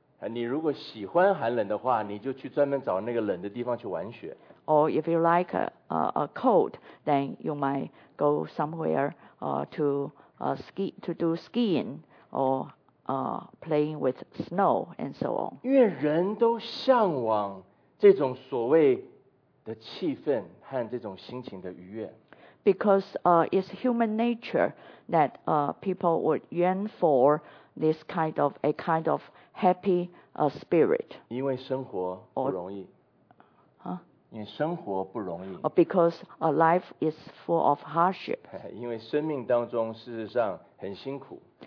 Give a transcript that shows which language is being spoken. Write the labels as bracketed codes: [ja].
[zh] 你如果喜欢寒冷的话，你就去专门找那个冷的地方去玩雪。 [en] Or if you like a cold, then you might go somewhere to do skiing or playing with snow and so on. [zh] 因为人都向往这种所谓的气氛和这种心情的愉悦。 [en] Because it's human nature that people would yearn for. This kind of a kind of happy spirit. [zh] 因为生活不容易。因为生活不容易。 [en] Because a life is full of hardship. [zh] 因为生命当中事实上很辛苦。